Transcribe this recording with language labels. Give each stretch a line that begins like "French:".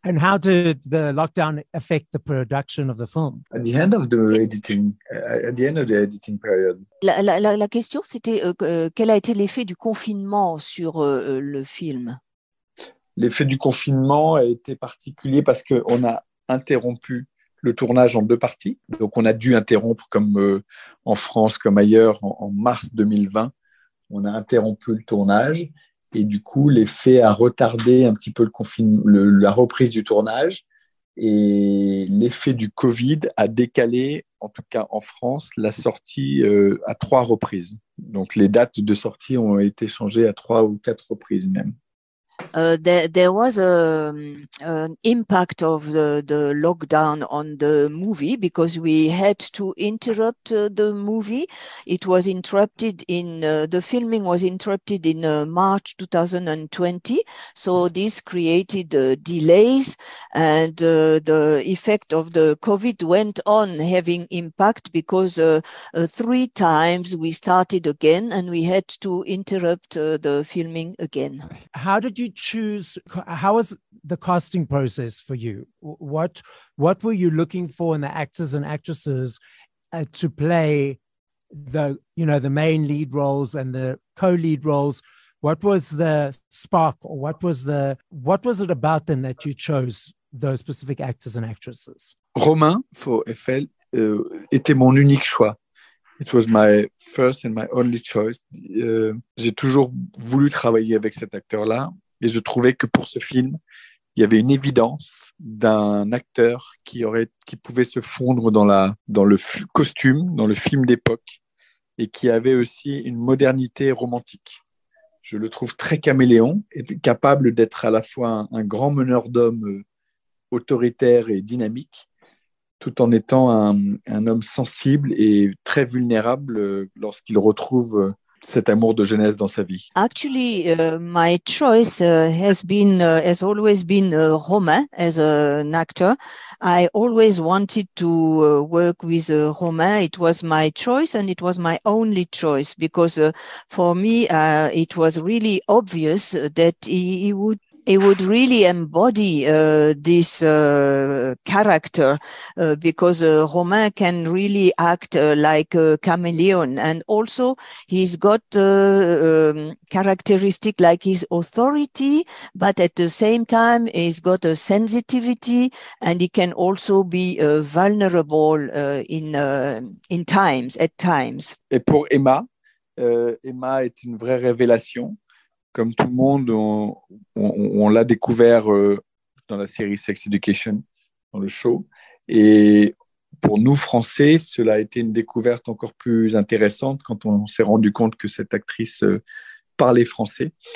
English: And how did the lockdown affect the production of the film? At the end of the editing, at the end of the editing period.
French: La question, c'était quel a été l'effet du confinement sur le film? L'effet du confinement a été particulier parce que on a interrompu le tournage en deux parties. Donc, on a dû interrompre, comme en France, comme ailleurs, en mars 2020, on a interrompu le tournage. Et du coup, l'effet a retardé un petit peu la reprise du tournage. Et l'effet du Covid a décalé, en tout cas en France, la sortie à 3 reprises. Donc, les dates de sortie ont été changées à 3 ou 4 reprises même.
English: There was an impact of the lockdown on the movie because we had to interrupt the movie. It was interrupted in the filming was interrupted in March 2020. So this created delays, and the effect of the COVID went on having impact because 3 times we started again and we had to interrupt the filming again. How did you choose, how was the casting process for you? What were you looking for in the actors and actresses to play the, you know, the main lead roles and the co-lead roles? What was the spark, or what was it about them that you chose those specific actors and actresses?
French: Romain for Eiffel était mon unique choix.
English: It was my first and my only choice.
French: J'ai toujours voulu travailler avec cet acteur-là. Et je trouvais que pour ce film, il y avait une évidence d'un acteur qui pouvait se fondre dans le costume, dans le film d'époque, et qui avait aussi une modernité romantique. Je le trouve très caméléon, et capable d'être à la fois un grand meneur d'hommes autoritaire et dynamique, tout en étant un homme sensible et très vulnérable lorsqu'il retrouve cet amour de jeunesse dans sa vie.
English: Actually, my choice has always been Romain as an actor. I always wanted to work with Romain. It was my choice and it was my only choice because for me, it was really obvious that he would really embody this character because Romain can really act like a chameleon. And also he's got characteristic like his authority, but at the same time, he's got a sensitivity and he can also be vulnerable at times.
French: Et pour Emma, Emma est une vraie révélation. Comme tout le monde, on l'a découvert dans la série Sex Education, dans le show. Et pour nous, Français, cela a été une découverte encore plus intéressante quand on s'est rendu compte que cette actrice parlait français.